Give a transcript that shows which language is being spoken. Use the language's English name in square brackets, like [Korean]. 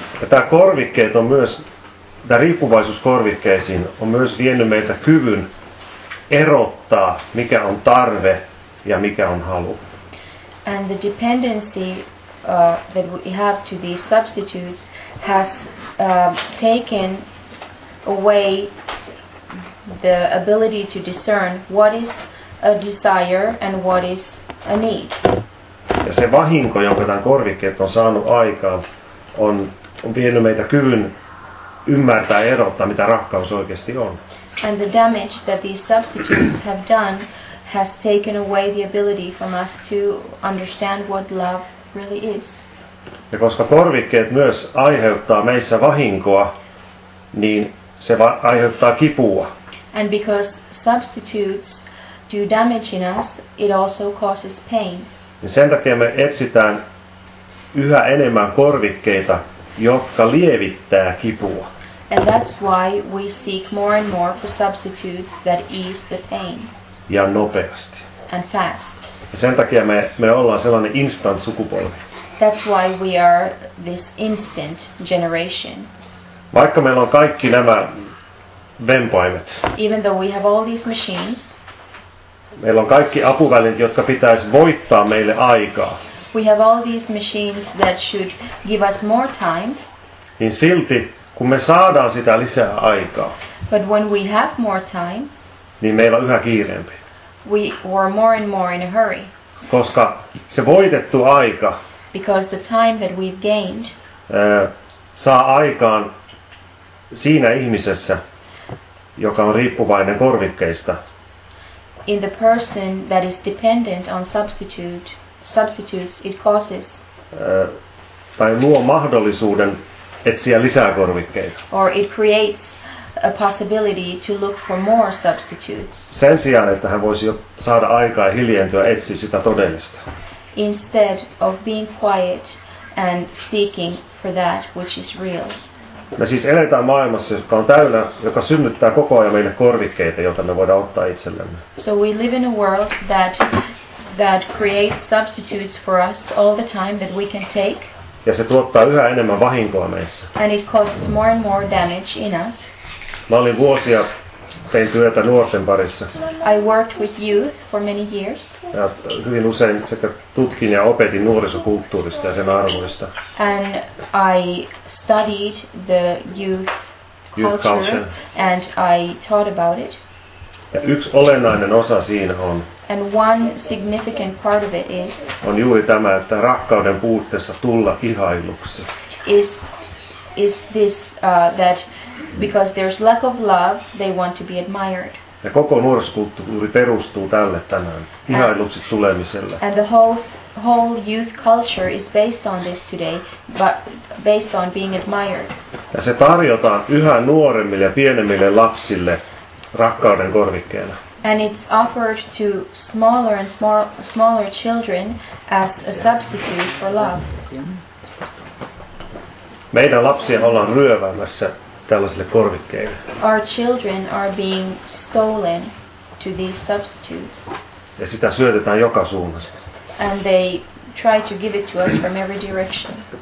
[Finnish] Tämä korvikkeet on myös, tämä riippuvaisuus korvikkeisiin on myös vienyt meiltä kyvyn erottaa, mikä on tarve ja mikä on halu. [English] And the dependency that we have to these substitutes has taken away the ability to discern what is a desire and what is a need. [Finnish] Ja se vahinko, jonka tämän korvikkeet on saanut aikaan, on on vienyt meitä kyvyn ymmärtää erottaa, mitä rakkaus oikeasti on. [English] And the damage that these substitutes have done has taken away the ability from us to understand what love really is. [Finnish] Ja koska korvikkeet myös aiheuttaa meissä vahinkoa, niin se aiheuttaa kipua. [English] And because substitutes do damage in us, it also causes pain. [Finnish] Ja sen takia me etsitään yhä enemmän korvikkeita, jotka lievittää kipua. [English] And that's why we seek more and more for substitutes that ease the pain. [Finnish] Ja nopeasti. [English] And fast. [Finnish] Ja sen takia me ollaan sellainen instant sukupolvi. [English] That's why we are this instant generation. [Finnish] Vaikka meillä on kaikki nämä vempaimet. [English] Even though we have all these machines. [Finnish] Meillä on kaikki apuvälineet, jotka pitäisi voittaa meille aikaa. [English] We have all these machines that should give us more time. [Finnish] Niin silti, kun me saadaan sitä lisää aikaa. [English] But when we have more time. [Finnish] Niin meillä on yhä kiireempi. [English] We were more and more in a hurry. [Finnish] Koska se voitettu aika. [English] Because the time that we've gained. [Finnish] Saa aikaan siinä ihmisessä, joka on riippuvainen korvikkeista. [English] In the person that is dependent on substitutes, it causes. [Finnish] Tai luo mahdollisuuden etsiä lisää korvikkeita. [English] Or it creates a possibility to look for more substitutes. [Finnish] Sen sijaan, että hän voisi saada aikaa ja hiljentyä etsiä sitä todellista. [English] Instead of being quiet and seeking for that which is real. [Finnish] Me siis eletään maailmassa, joka on täynnä, joka synnyttää koko ajan meille korvikkeita, joita me voidaan ottaa itsellemme. [English] So we live in a world that creates substitutes for us all the time that we can take. [Finnish] Ja se tuottaa yhä enemmän vahinkoa meissä. [English] And it causes more and more damage in us. [Finnish] Mä olin vuosia, tein työtä nuorten parissa. [English] I worked with youth for many years. [Finnish] Ja hyvin usein sekä tutkin ja opetin nuorisokulttuurista ja sen arvoista. [English] And I studied the youth culture. And I taught about it. [Finnish] Ja yksi olennainen osa siinä on. [English] And one significant part of it is. [Finnish] On juuri tämä, että rakkauden puutteessa tulla ihailuksi. [English] Is this that because there's lack of love, they want to be admired. [Finnish] Ja koko nuorisokulttuuri perustuu tälle tänään, ihailuksi tulemiselle. [English] And the whole youth culture is based on this today, but based on being admired. [Finnish] Ja se tarjotaan yhä nuoremmille ja pienemmille lapsille rakkauden korvikkeena. [English] And it's offered to smaller and smaller children as a substitute for love. [Finnish] Meidän lapsia ollaan ryöväämässä tällaisille korvikkeille. [English] Our children are being stolen to these substitutes. [Finnish] Ja sitä syötetään joka suunnasta. [English] And they try to give it to us from every direction.